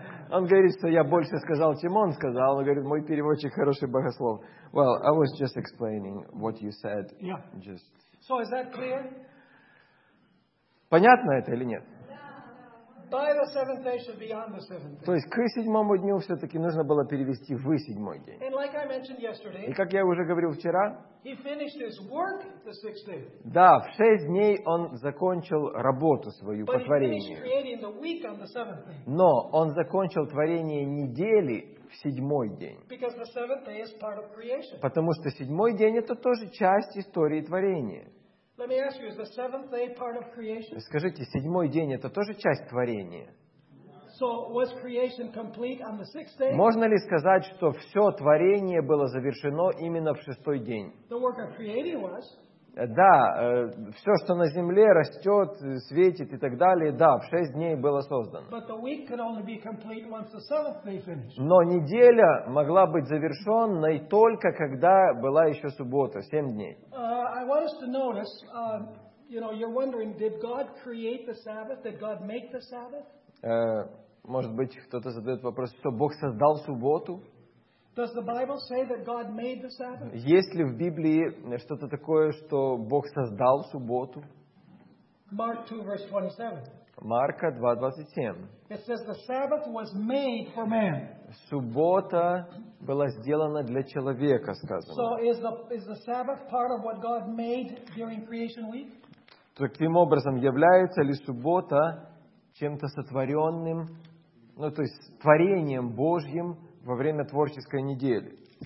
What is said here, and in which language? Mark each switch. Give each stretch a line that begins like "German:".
Russian: Он говорит, что я больше сказал, чем он сказал. Он говорит, мой переводчик хороший богослов.
English: Well, I was just explaining what you said. Yeah. Just... So is that clear?
Russian: Понятно это или нет?
English: By the seventh day should be on the seventh day.
Russian: То есть к седьмому дню все-таки нужно было перевести в седьмой день.
English: And like I mentioned yesterday,
Russian: и как я уже говорил вчера,
English: he finished his work the sixth day.
Russian: Да, в шесть дней он закончил работу свою по творению.
English: But he finished creating the week on the seventh day.
Russian: Но он закончил творение недели в седьмой день.
English: Because the seventh day is part of creation.
Russian: Потому что седьмой день это тоже часть истории творения.
English: Let me ask you, is the seventh day part of creation?
Russian: Скажите, седьмой день это тоже часть творения?
English: So was creation complete on the sixth day?
Russian: Можно ли сказать, что все творение было завершено именно в шестой день?
English: The work of creating was.
Russian: Да, все, что на земле растет, светит и так далее, да, в шесть дней было создано.
English: But the week could only be complete once the seventh day finished.
Russian: Но неделя могла быть завершенной только когда была еще суббота, семь дней.
English: I want us to notice, You know, you're wondering, did God create the Sabbath? Did God make the Sabbath?
Russian: Может быть, кто-то задает вопрос, что Бог создал субботу?
English: Does the Bible say that God made the Sabbath?
Russian: Есть ли в Библии что-то такое, что Бог создал субботу?
English: Mark 2, verse 27.
Russian: Марка 2:27.
English: It says the Sabbath was made for man.
Russian: Суббота была сделана для человека, сказано.
English: So is the Sabbath part of what God made during creation week?
Russian: Таким образом, является ли суббота чем-то сотворенным, ну, то есть творением Божьим во время творческой недели?